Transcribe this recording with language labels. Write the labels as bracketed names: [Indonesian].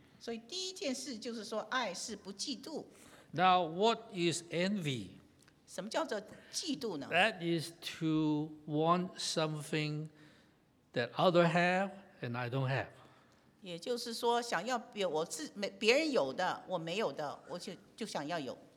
[Chinese] 所以第一件事就是说爱是不嫉妒。 [English] Now, what is envy? [Chinese] 什么叫做嫉妒呢? [English] That is to want something that other have and I don't have. [Chinese] 也就是说想要我自别人有的我没有的我 就想要有。